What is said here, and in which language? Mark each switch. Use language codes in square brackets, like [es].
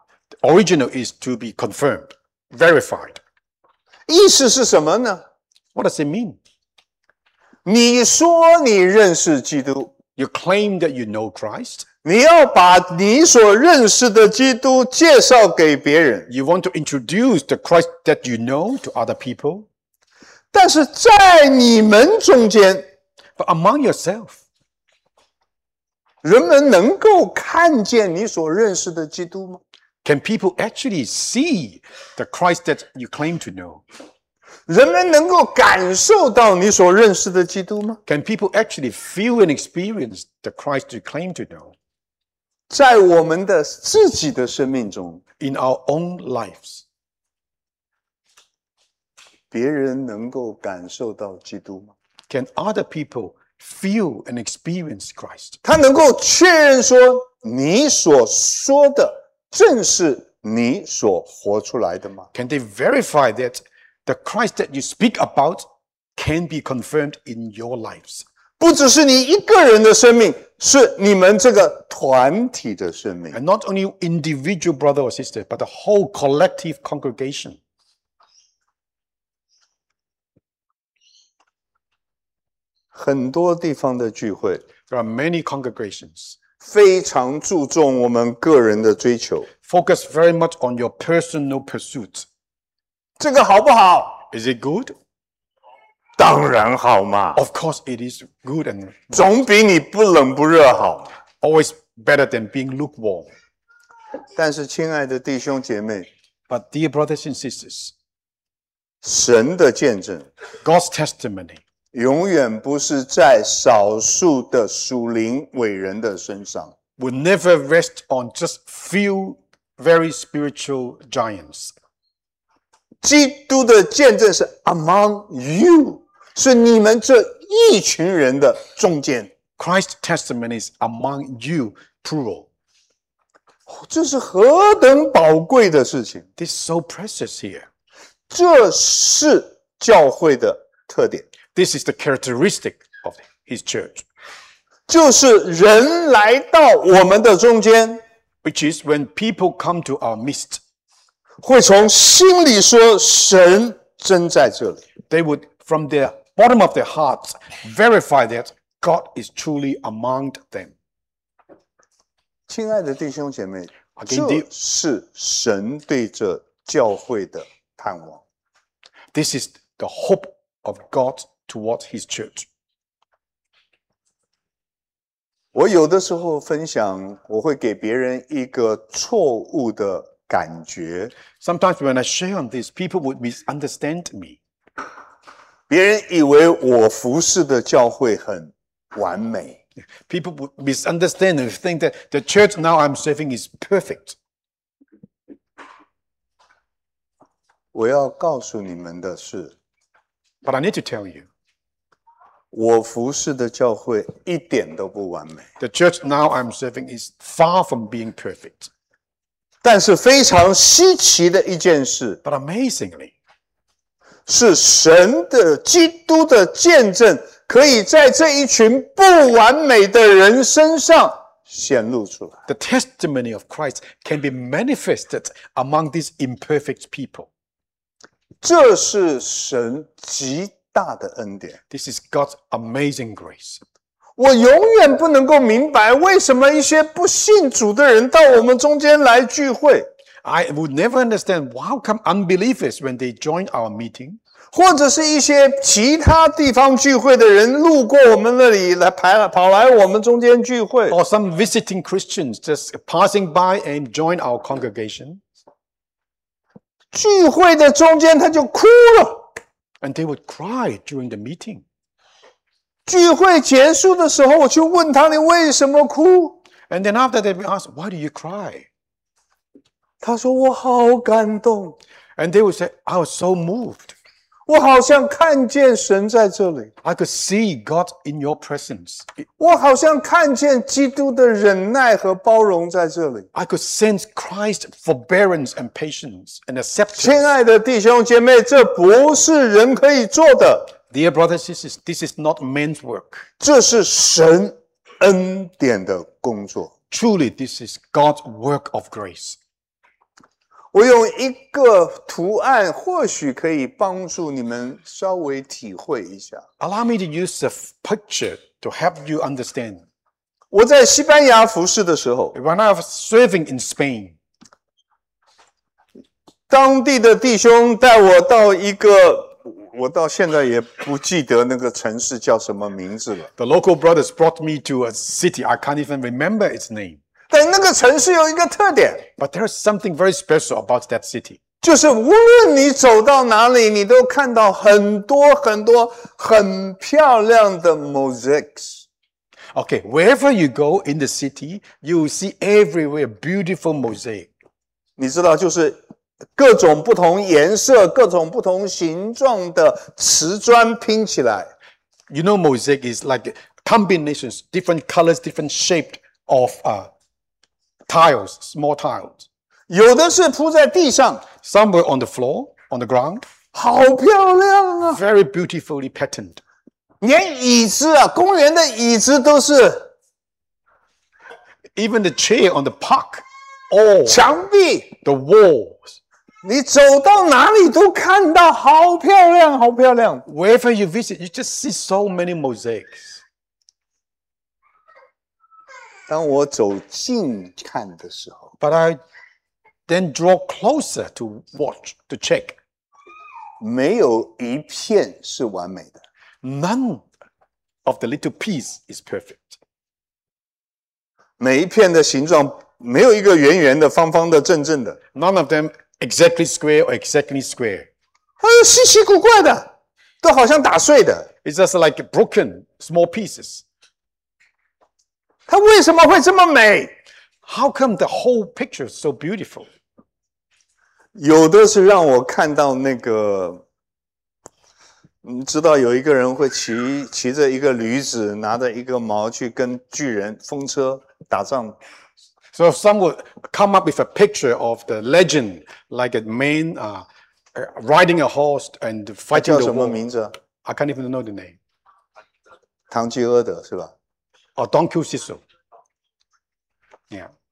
[en] The original is to be confirmed, verified. [zh] 意思是什么呢? [en] What does it mean? [zh] 你说你认识基督, [en] You claim that you know Christ. [zh] 你要把你所认识的基督介绍给别人。 [en] You want to introduce the Christ that you know to other people. [zh] 但是在你们中间 [en] But among yourself. [zh] 人们能够看见你所认识的基督吗？ [en] Can people actually see the Christ that you claim to know? [zh] 人们能够感受到你所认识的基督吗？ [en] Can people actually feel and experience the Christ you claim to know? [zh] 在我们的自己的生命中 [en] In our own lives, [zh] 别人能够感受到基督吗？ [en] Can other people feel and experience Christ? [zh] 他能够确认说你所说的正是你所活出来的吗？ [en] Can they verify that the Christ that you speak about can be confirmed in your lives? [zh] 不只是你一个人的生命，是你们这个团体的生命。 [en] And not only individual brother or sister, but the whole collective congregation. [zh] 很多地方的聚会 [en] There are many congregations. [zh] 非常注重我们个人的追求 [en] Focus very much on your personal pursuit [zh] 这个好不好 [en] Is it good? [zh] 当然好嘛 [en] Of course it is good and [zh] 总比你不冷不热好 [en] Always better than being lukewarm [zh] 但是亲爱的弟兄姐妹 [en] But dear brothers and sisters [zh] 神的见证 [en] God's testimony [zh] 永远不是在少数的属灵伟人的身上。 [en] Will never rest on just few very spiritual giants. [zh] 基督的见证是 [en] among you, [zh] 是你们这一群人的中间。 [en] Christ's testimony is among you, plural. [zh] 这是何等宝贵的事情。 [en] This is so precious here. [zh] 这是教会的特点。 [en] This is the characteristic of his church. [zh] 就是人来到我们的中间 [en] Which is when people come to our midst. [zh] 会从心里说神真在这里 [en] They would, from the bottom of their hearts, verify that God is truly among them. [zh] 亲爱的弟兄姐妹这是神对着教会的盼望 [en] This is the hope of God. Towards his church. [zh] 我有的时候分享，我会给别人一个错误的感觉。 [en] Sometimes when I share on this, people would misunderstand me. [zh] 别人以为我服侍的教会很完美。 [en] People would misunderstand and think that the church now I'm serving is perfect. [zh] 我要告诉你们的是 [en] But I need to tell you. [zh] 我服侍的教会一点都不完美。 [en] The church now I'm serving is far from being perfect. [zh] 但是非常稀奇的一件事 [en] But amazingly, [zh] 是神的基督的见证可以在这一群不完美的人身上显露出来。 [en] The testimony of Christ can be manifested among these imperfect people. [zh] 这是神极大的恩典 [en] This is God's amazing grace. [zh] 我永远不能够明白为什么一些不信主的人到我们中间来聚会。 [en] I would never understand how come unbelievers when they join our meeting. [zh] 或者是一些其他地方聚会的人路过我们那里来跑来我们中间聚会。 [en] Or some visiting Christians just passing by and join our congregation. [zh] 聚会的中间他就哭了。 [en] And they would cry during the meeting. [zh] 聚会结束的时候我去问他你为什么哭 [en] And then after they would ask, why do you cry? [zh] 他说我好感动 [en] And they would say, I was so moved. [zh] 我好像看见神在这里 [en] I could see God in your presence. [zh] 我好像看见基督的忍耐和包容在这里 [en] I could sense Christ's forbearance and patience and acceptance. [zh] 亲爱的弟兄姐妹这不是人可以做的 [en] Dear brothers and sisters, this is not man's work. [zh] 这是神恩典的工作 [en] Truly, this is God's work of grace. [zh] 我用一个图案或许可以帮助你们稍微体会一下。 [en] Allow me to use a picture to help you understand. [zh] 我在西班牙服侍的时候 [en] When I was serving in Spain, [zh] 当地的弟兄带我到一个我到现在也不记得那个城市叫什么名字了 [en] The local brothers brought me to a city I can't even remember its name [zh] 但那个城市有一个特点 [en] But there is something very special about that city [zh] 就是无论你走到哪里你都看到很多很多很漂亮的 mosaics [en] Okay, wherever you go in the city You will see everywhere beautiful mosaic [zh] 你知道就是各种不同颜色各种不同形状的瓷砖拼起来 [en] You know mosaic is like combinations Different colors, different shaped of tiles, small tiles [zh] 有的是铺在地上 [en] Somewhere on the floor, on the ground [zh] 好漂亮啊 [en] Very beautifully patterned [zh] 连椅子啊公园的椅子都是 [en] Even the chair on the park all [zh] 墙壁 [en] The walls [zh] 你走到哪里都看到好漂亮好漂亮 [en] Wherever you visit, you just see so many mosaics [zh] 当我走近看的时候 [en] But I... Then draw closer to watch, to check. [zh] 没有一片是完美的。 [en] None of the little piece is perfect. [zh] 每一片的形状没有一个圆圆的、方方的、正正的。 [en] None of them exactly square or exactly square. [zh] 它是稀奇古怪的，都好像打碎的。 [en] It's just like broken small pieces. [zh] 它为什么会这么美？ [en] How come the whole picture is so beautiful? [zh] 有的是让我看到那个你知道有一个人会 骑着一个驴子拿着一个矛去跟巨人风车打仗 [en] So some would come up with a picture of the legend like a man riding a horse and fighting the war [zh] 叫什么名字 [en] I can't even know the name [zh] 唐吉诃德是吧 [en] Oh, Don Quixote Yeah